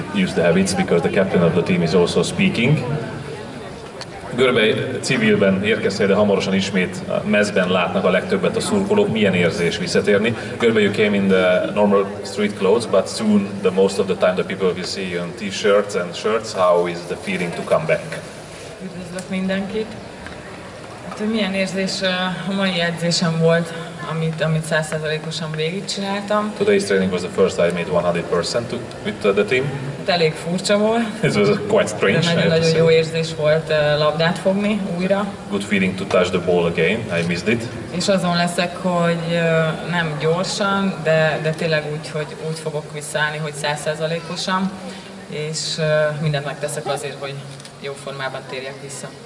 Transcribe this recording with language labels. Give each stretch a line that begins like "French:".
English: use the habits because the captain of the team is also speaking.
Hungarian: Görbe civilben érkeztél, de hamarosan ismét a mezben látnak a legtöbbet a szurkolók. Milyen érzés visszatérni?
English: Görbe, you came in the normal street clothes, but soon the most of the time the people will see you in t-shirts and shirts. How is the feeling to come back?
Hungarian: Üdvözlök mindenkit! Hát, milyen érzés a mai edzésem volt, amit 100%-osan végigcsináltam.
English: Today's training was the first I made 100% with the team.
Hungarian: Hát elég furcsa volt.
English: It was quite strange.
Hungarian: De nagyon jó érzés volt labdát fogni újra.
English: Good feeling to touch the ball again. I missed it.
Hungarian: És azon leszek, hogy nem gyorsan, de tényleg úgy, hogy úgy fogok visszaállni, hogy 100%-osan. És mindent megteszek azért, hogy jó formában térjek vissza.